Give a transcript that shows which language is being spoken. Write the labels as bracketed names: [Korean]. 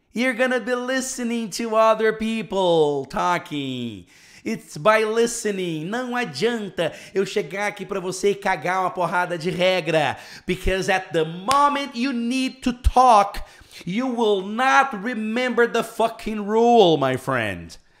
[English] You're gonna be listening to other people talking. It's by listening. [Portuguese] Não adianta eu chegar aqui para você e cagar uma porrada de regra. [English] Because at the moment you need to talk, you will not remember the fucking rule, my friend.